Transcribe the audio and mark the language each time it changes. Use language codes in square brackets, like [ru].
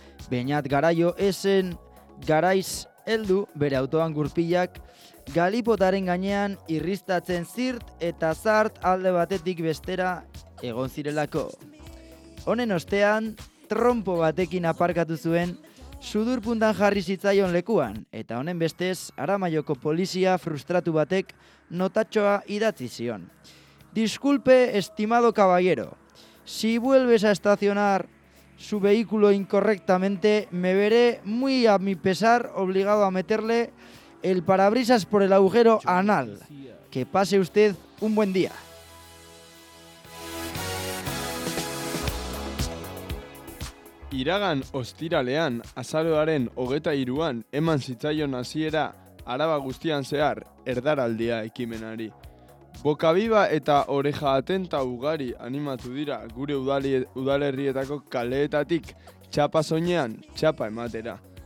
[eu] Beñat Garaio esen garaiz heldu bere autoan gurpilak, galipotaren gainean irristatzen zirt eta zart alde batetik bestera egon zirelako. Honen ostean, trompo batekin aparkatu zuen, sudurpuntan jarri zitzaion lekuan, eta honen bestez, Aramaioko polizia frustratu batek notatxoa idatzi zion. [es] Disculpe, estimado caballero, si vuelves a estacionar su vehículo incorrectamente, me veré muy a mi pesar obligado a meterle el parabrisas por el agujero anal. Que pase usted un buen día. [eu] Iragan ostiralean, azaroaren 23an eman zitzaion hasiera Araba guztian zehar erdaraldia ekimenari. Bokabiba eta oreja atenta ugari animatu dira gure udalerrietako kaleetatik txapa soinean txapa ematera.